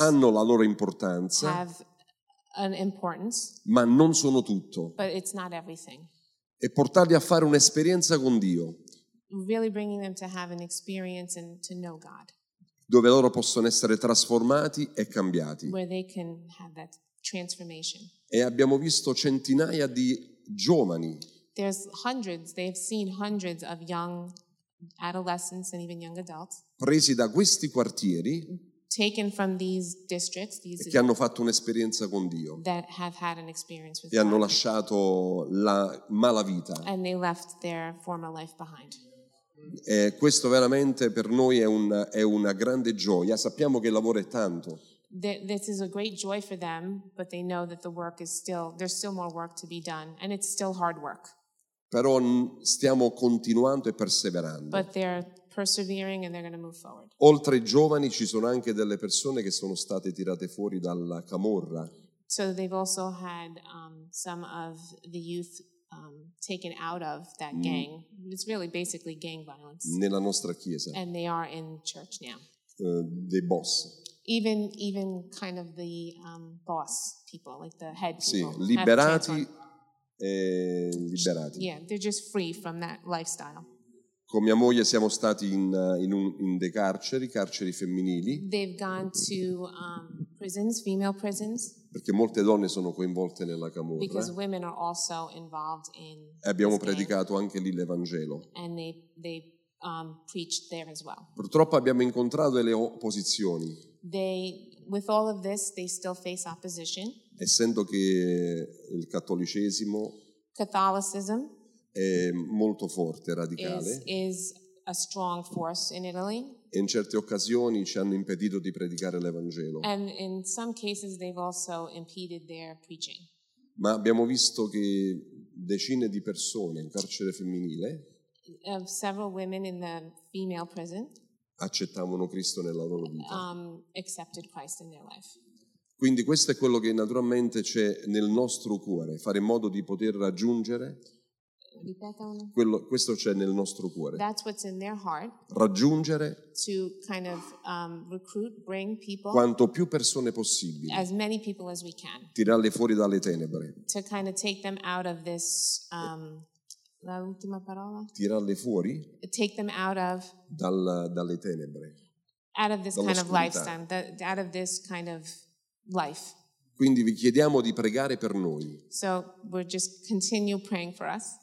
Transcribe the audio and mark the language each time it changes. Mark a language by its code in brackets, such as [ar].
[it] hanno la loro importanza, [en] have an importance, [it] ma non sono tutto, [en] but it's not everything, [it] e portarli a fare un'esperienza con Dio, [en] really bringing them to have an experience and to know God, [it] dove loro possono essere trasformati e cambiati, [en] where they can have that transformation. [it] E abbiamo visto centinaia di giovani, [en] there's hundreds, they've seen hundreds of young adolescents and even young adults, [it] presi da questi quartieri, [en] taken from these districts, these [it] che hanno fatto un'esperienza con Dio, [en] that have had an experience with [it] e hanno lasciato la mala vita, [en] and they left their former life behind. [it] E questo veramente per noi è una grande gioia. Sappiamo che il lavoro è tanto. [en] This is a great joy for them, but they know that the work is still, there's still more work to be done, and it's still hard work. [it] Però stiamo continuando e perseverando. [en] But they're persevering and they're going to move forward. [it] Oltre ai giovani ci sono anche delle persone che sono state tirate fuori dalla camorra. [en] So they've also had some of the youth taken out of that gang. It's really basically gang violence. [it] Nella nostra chiesa. [en] And they are in church now. [it] Dei boss. [en] Even kind of the boss people, like the head people. [it] Sì, liberati. Liberati. [en] Yeah, they're just free from that lifestyle. [it] Con mia moglie siamo stati in dei carceri femminili. [en] They've gone to prisons, female prisons. [it] Perché molte donne sono coinvolte nella camorra. [en] Because women are also involved in. [it] E abbiamo predicato anche lì l'Evangelo. [en] And they preached there as well. [it] Purtroppo abbiamo incontrato delle opposizioni. [en] They, with all of this, they still face opposition. [it] Essendo che il cattolicesimo, [en] Catholicism, [it] è molto forte, radicale, [en] is a strong force in Italy. [it] E in certe occasioni ci hanno impedito di predicare l'Evangelo. [en] And in some cases they've also impeded their preaching. [it] Ma abbiamo visto che decine di persone in carcere femminile, [en] of several women in the female prison, [it] accettavano Cristo nella loro vita. [en] Accepted Christ in their life. [it] Quindi questo è quello che naturalmente c'è nel nostro cuore, fare in modo di poter raggiungere, quello, questo c'è nel nostro cuore, [en] that's what's in their heart, [it] raggiungere [en] to kind of, recruit, bring people, [it] quanto più persone possibili, [en] as many people as we can, [it] tirarle fuori dalle tenebre, [en] to kind of take them out of this, [it] la ultima parola? Tirarle fuori, [en] take them out of, [it] dalle tenebre, [en] out of this kind of lifestyle, out of this kind of life. [it] Quindi vi chiediamo di pregare per noi. [en] So we'll just continue praying for us.